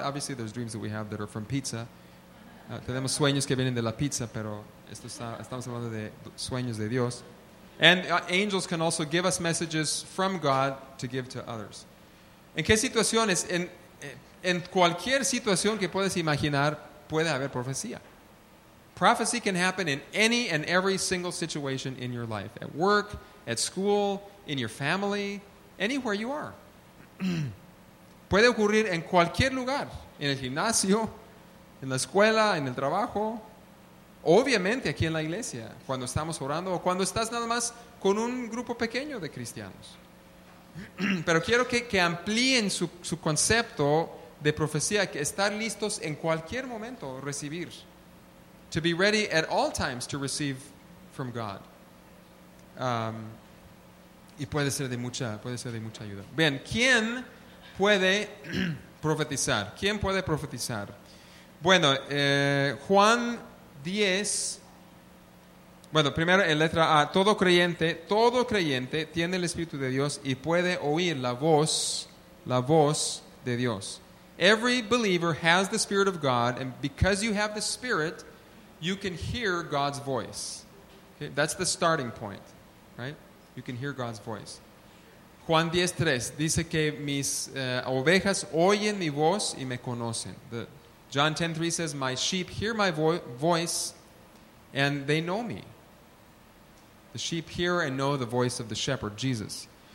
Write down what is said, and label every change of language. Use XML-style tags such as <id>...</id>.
<en>Obviously, there's dreams that we have that are from pizza.</en> <es>Tenemos sueños que vienen de la pizza, pero estamos hablando de sueños de Dios.</es> <en>And angels can also give us messages from God to give to others.</en> <es>¿En qué situaciones? En cualquier situación que puedes imaginar, puede haber profecía.</es> <en>Prophecy can happen in any and every single situation in your life. At work, at school, in your family, anywhere you are.</en> <es>Puede ocurrir en cualquier lugar. En el gimnasio, en la escuela, en el trabajo. Obviamente aquí en la iglesia, cuando estamos orando. O cuando estás nada más con un grupo pequeño de cristianos. Pero quiero que amplíen su concepto de profecía, que estar listos en cualquier momento recibir.</es> <en>To be ready at all times to receive from God.</en> <es>Y puede ser de mucha ayuda. Bien, ¿quién puede profetizar? ¿Quién puede profetizar? Bueno, Juan 10. Bueno, primero en letra A, todo creyente tiene el Espíritu de Dios y puede oír la voz de Dios.</es> <en>Every believer has the Spirit of God, and because you have the Spirit, you can hear God's voice. Okay? That's the starting point, right? You can hear God's voice.</en> <es>Juan 10:3 dice que mis ovejas oyen mi voz y me conocen.</es> <en>John 10:3 says, my sheep hear my voice and they know me. The sheep hear and know the voice of the shepherd, Jesus.</en>